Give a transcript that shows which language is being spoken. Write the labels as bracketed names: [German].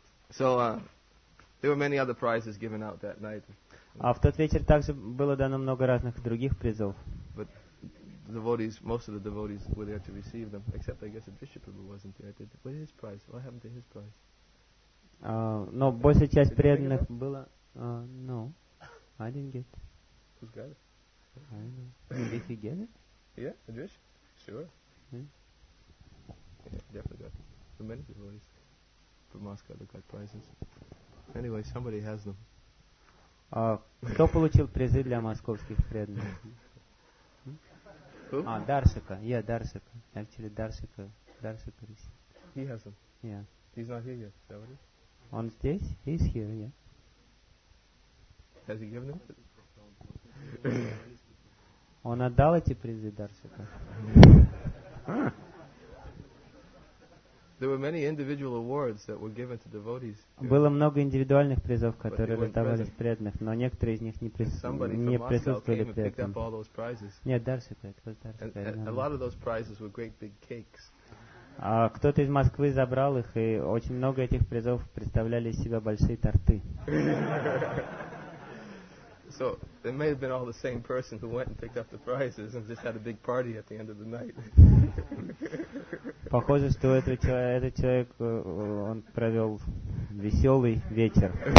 [English] So there were many other prizes given out that night. [Russian] А в тот вечер также было дано много разных других призов. [English] Devotees, most of the devotees were there to receive them, except I guess the bishop Prabhu wasn't there. What is his prize? What happened to his prize? [Russian] No, большая часть преданных была. [English] No, I didn't get. Who's got it? I don't know. Did he get it? Yeah, the bishop. Sure. Yeah, definitely got. So many devotees from Moscow that got prizes. Anyway, somebody has them. [Russian] Кто получил призы для московских преданных? [English] Who? Дарсика. Yeah, Дарсика. Actually, Дарсика. Дарсика is. He has him. Yeah. He's not here yet, is that what it is? On stage? He's here, yeah. Has he given him? [Russian] Он отдал эти призы Дарсика. [English] There were many individual awards that were given to devotees. [Russian] Было много индивидуальных призов, которые раздавались преданных, но некоторые из них не присутствовали при этом. Нет, Дарсика, это был Дарсика. [English] A lot of those prizes were great big cakes. [Russian] Кто-то из Москвы забрал их, и очень много этих призов представляли из себя большие торты. [English] So it may have been all the same person who went and picked up the prizes and just had a big party at the end of the night. [Russian] Похоже, что этот человек, он провел веселый вечер.